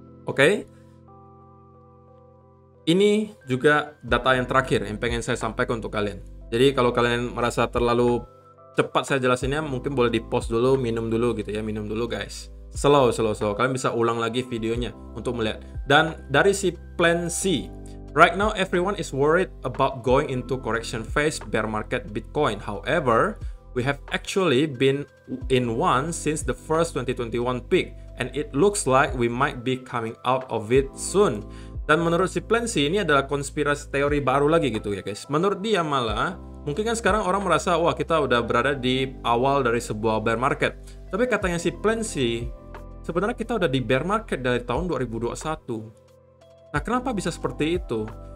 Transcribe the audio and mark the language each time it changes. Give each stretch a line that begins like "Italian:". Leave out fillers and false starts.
Indonesian: Oke? Ini juga data yang terakhir yang pengen saya sampaikan untuk kalian. Jadi kalau kalian merasa terlalu cepat saya jelasinnya, mungkin boleh di-pause dulu, minum dulu gitu ya, minum dulu guys.
English: Slow, slow, slow.
Indonesian: Kalian bisa ulang lagi videonya untuk melihat. Dan dari si
English: plan C, right now everyone is worried about going into correction phase bear market Bitcoin. However, we have actually been in one since the first 2021 peak, and it looks like we might be coming out of it soon.
Indonesian: Dan menurut si Plan C, ini adalah konspirasi teori baru lagi gitu ya guys. Menurut dia malah, mungkin kan sekarang orang merasa, wah kita udah berada di awal dari sebuah bear market. Tapi katanya si Plan C, sebenarnya kita udah di bear market dari tahun 2021. Nah, kenapa bisa seperti itu?